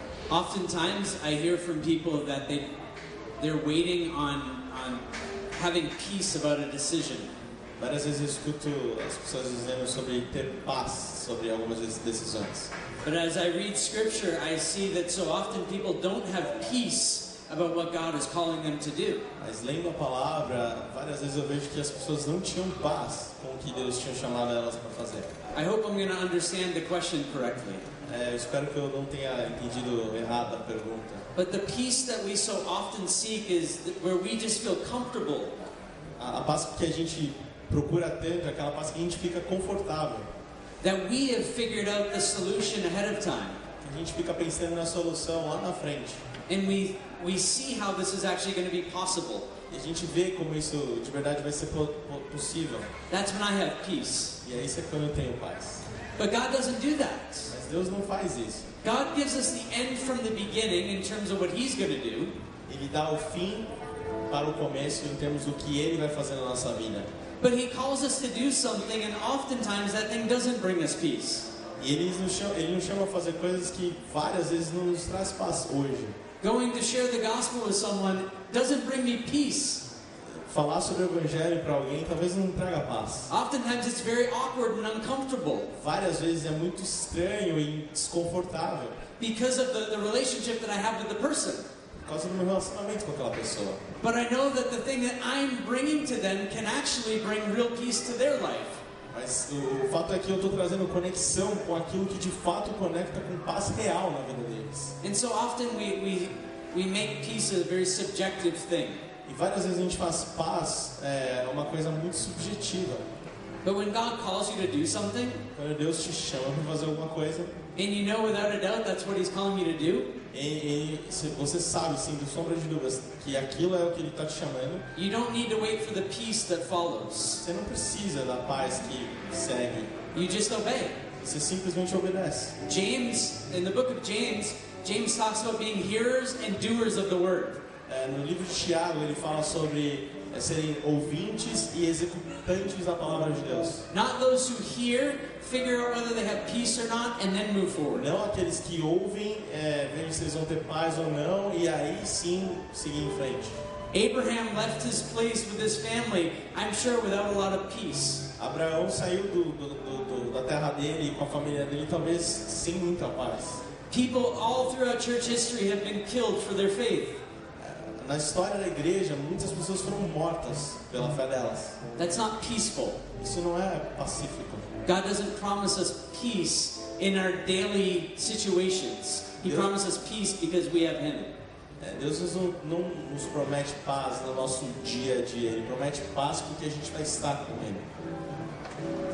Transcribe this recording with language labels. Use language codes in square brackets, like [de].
[en] Oftentimes I hear from people that they're waiting on having peace about a decision. [pt] Várias vezes eu escuto as pessoas dizendo sobre ter paz sobre algumas decisões. [en] But as I read scripture, I see that so often people don't have peace about what God is calling them to do. [pt] Mas lendo a palavra, várias vezes eu vejo que as pessoas não tinham paz com o que Deus tinha chamado elas para fazer. [en] I hope I'm going to understand the question correctly. [pt] Espero que eu não tenha entendido errado a pergunta. [en] But the peace that we so often seek is where we just feel comfortable. [pt] A paz que a gente procura tanto, aquela paz que a gente fica confortável. [en] That we have figured out the solution ahead of time. [pt] A gente fica pensando na solução lá na frente. [en] And we see how this is actually going to be possible. [pt] E a gente vê como isso de verdade vai ser possível. [en] That's when I have peace. [pt] E é isso quando eu tenho paz. [en] But God doesn't do that. [pt] Mas Deus não faz isso. [en] God gives us the end from the beginning in terms of what He's going to do. [pt] Ele dá o fim para o começo em termos do que Ele vai fazer na nossa vida. [en] But He calls us to do something, and oftentimes that thing doesn't bring us peace. [pt] E ele nos chama a fazer coisas que várias vezes não nos traz paz hoje. [en] Going to share the gospel with someone doesn't bring me peace. [pt] Falar sobre o evangelho para alguém talvez não traga paz. [en] Oftentimes it's very awkward and uncomfortable. [pt] Várias vezes é muito estranho e desconfortável. [en] Because of the relationship that I have with the person. [pt] Por causa do meu relacionamento com aquela pessoa. [en] But I know that the thing that I'm bringing to them can actually bring real peace to their life. [pt] Mas o fato é que eu estou trazendo conexão com aquilo que de fato conecta com paz real na vida deles. [en] And so often we make peace a very subjective thing. [pt] E várias vezes a gente faz paz uma coisa muito subjetiva. [en] But when God calls you to do something, [pt] quando Deus te chama para fazer alguma coisa, [en] and you know without a doubt that's what He's calling you to do, [pt] e você sabe, sim, de sombra de dúvidas, que aquilo é o que Ele está te chamando, [en] you don't need to wait for the peace that follows. [pt] Você não precisa da paz que segue. [en] You just obey. [pt] Você simplesmente obedece. [en] James, in the book of James, James talks about being hearers and doers of the word. [pt] No livro de Tiago, ele fala sobre serem ouvintes e executantes da palavra de Deus. [en] Not those who hear, figure out whether they have peace or not, and then move forward. [pt] Não aqueles que ouvem, vejam se eles vão ter paz ou não, e aí sim, seguir em frente. [en] Abraham left his place with his family, I'm sure without a lot of peace. [pt] Abraão saiu da terra dele com a família dele, talvez sem muita paz. [en] People all throughout church history have been killed for their faith. [pt] Na história da igreja, muitas pessoas foram mortas pela fé delas. [en] That's not peaceful. [pt] Isso não é pacífico. [en] God doesn't promise us peace in our daily situations. He promises peace because we have Him. [pt] Deus não nos promete paz no nosso dia a dia. Ele promete paz porque a gente vai estar com Ele.